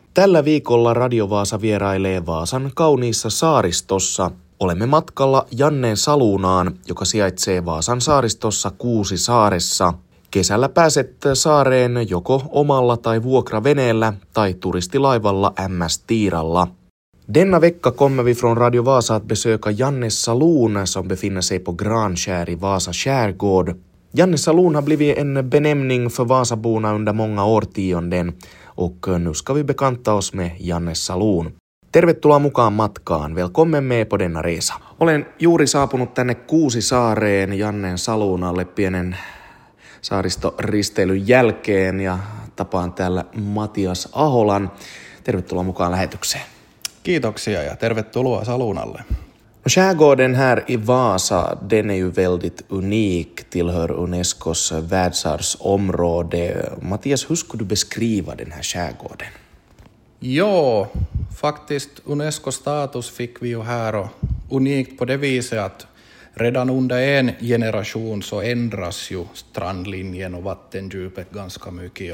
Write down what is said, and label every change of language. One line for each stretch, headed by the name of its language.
Finnish: Tällä viikolla Radio Vaasa vierailee Vaasan kauniissa saaristossa. Olemme matkalla Janneen saluunaan, joka sijaitsee Vaasan saaristossa Kuusisaaressa. Kesällä pääset saareen joko omalla tai vuokraveneellä tai turistilaivalla MS Tiiralla.
Swedish: Denna vecka kommer vi från Radio Vasa att besöka Jannes saloon, som befinner sig på Granskär i Vasa skärgård. Jannes saloon har blivit en benämning för Vasaborna under många årtionden och nu ska vi bekanta oss med Jannes saloon.
Finnish: Tervetuloa mukaan matkaan.
Swedish: Välkommen med på denna resa.
Finnish: Olen juuri saapunut tänne Kuusisaareen Janneen saluunalle pienen saaristoristeilyn jälkeen ja tapaan täällä Matias Aholan. Tervetuloa mukaan lähetykseen. Kiitoksia ja tervetuloa saluunalle.
Swedish: No, skärgården här i Vasa, den är ju väldigt unik, tillhör Unescos världsarvsområde. Matias, hur skulle du beskriva den här skärgården? Joo, faktiskt Unesco-status fick vi ju här och unikt på det viset att redan under en generation så ändras ju strandlinjen och vattendjupet ganska mycket.